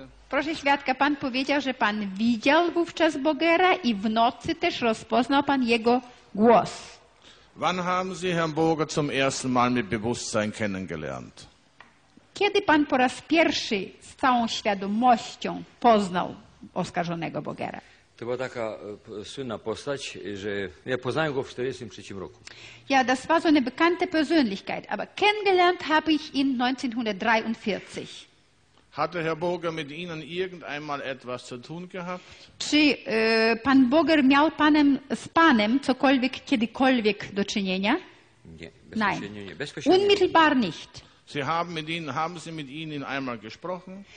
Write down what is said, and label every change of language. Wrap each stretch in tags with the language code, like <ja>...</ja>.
<pl>Proszę świadka, pan powiedział, że pan widział wówczas Bogera i w nocy też rozpoznał pan jego głos.</pl> <de>Wann haben Sie Herrn Boger zum ersten Mal mit Bewusstsein kennengelernt?</de> <pl>Kiedy pan po raz pierwszy z całą świadomością poznał oskarżonego Bogera? To była taka słynna postać, że ja poznałem go w 1943 roku.</pl> <de>Ja, das war so eine bekannte Persönlichkeit, aber kennengelernt habe ich ihn 1943. Hatte Herr Boger mit Ihnen irgendeinmal etwas zu tun gehabt?</de> <pl>Czy pan Boger miał panem, z panem cokolwiek, kiedykolwiek do czynienia? Nie, bezpośrednio.</pl> <de>Unmittelbar nicht. Haben Sie mit Ihnen einmal gesprochen?</de>